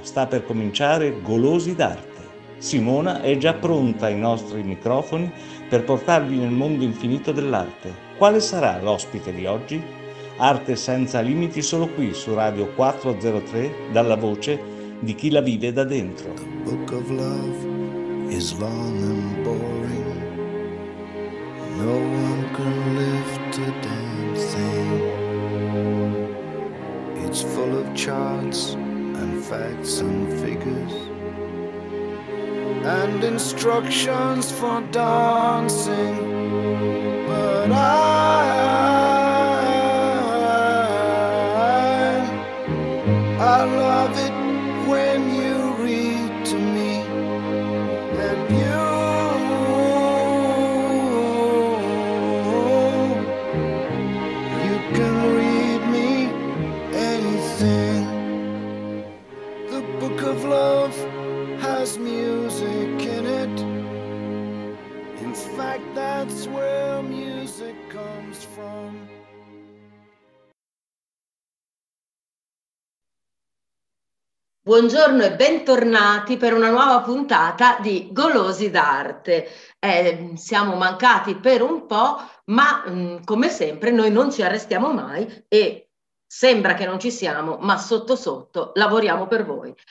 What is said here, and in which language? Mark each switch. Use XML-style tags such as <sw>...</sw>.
<it>Sta per cominciare Golosi d'Arte. Simona è già pronta ai nostri microfoni per portarvi nel mondo infinito dell'arte. Quale sarà l'ospite di oggi? Arte senza limiti solo qui su Radio 403 dalla voce di chi la vive da dentro.</it> <en>The book of love is long and boring. No one can lift a damn thing. It's full of charts and facts and figures and instructions for dancing. But I love it when you read to me that you can read me anything. The book of love has music in it. In fact, that's where music comes from.</en> <it>Buongiorno e bentornati per una nuova puntata di Golosi d'Arte. Siamo mancati per un po', ma come sempre noi non ci arrestiamo mai e sembra che non ci siamo, ma sotto sotto lavoriamo per voi.</it>